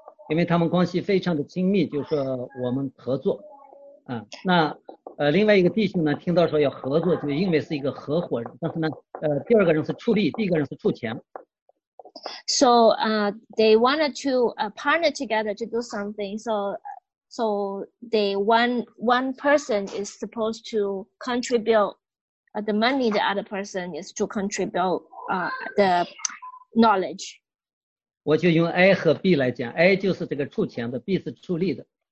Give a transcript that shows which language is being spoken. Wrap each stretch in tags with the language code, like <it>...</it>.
<zh>因为他们关系非常的亲密，就说我们合作，那。另外一个弟兄呢，听到说要合作，就因为是一个合伙人，但是呢，第二个人是出力，第一个人是出钱。</zh> <en>So, they wanted to partner together to do something. So they one person is supposed to contribute the money, the other person is to contribute the knowledge.</en> <zh>我就用 A 和 B 来讲 ，A 就是这个出钱的 ，B 是出力的。</zh>